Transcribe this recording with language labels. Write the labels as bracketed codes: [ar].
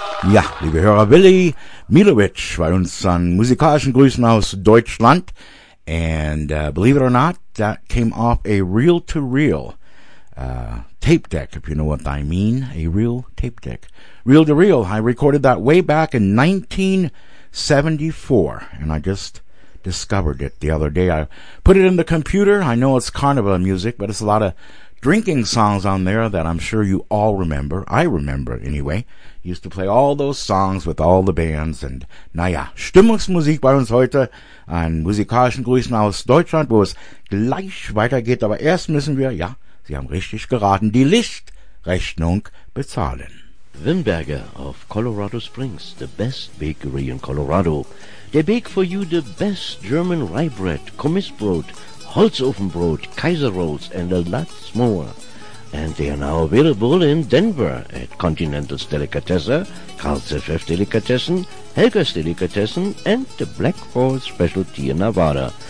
[de] Ja, liebe Hörer, Willy Milowitsch bei uns an musikalischen Grüßen aus Deutschland. [en] And believe it or not, that came off a reel-to-reel tape deck, if you know what I mean. A real tape deck. Reel-to-reel. I recorded that way back in 1974, and I just discovered it the other day. I put it in the computer. I know it's carnival music, but it's a lot of drinking songs on there that I'm sure you all remember. I remember, anyway. Used to play all those songs with all the bands. And [de] naja, Stimmungsmusik bei uns heute. Ein musikalischen Grüßen aus Deutschland, wo es gleich weitergeht. Aber erst müssen wir, ja, Sie haben richtig geraten, die Lichtrechnung bezahlen. [en] Wimberger of Colorado Springs, the best bakery in Colorado. They bake for you the best German rye bread, Kommissbrot, Holzofenbrot, Kaiser Rolls and a lot more. And they are now available in Denver at Continental's Delicatesse, Karl's FF Delicatessen, Helga's Delicatessen, and the Black Horse Specialty in Nevada.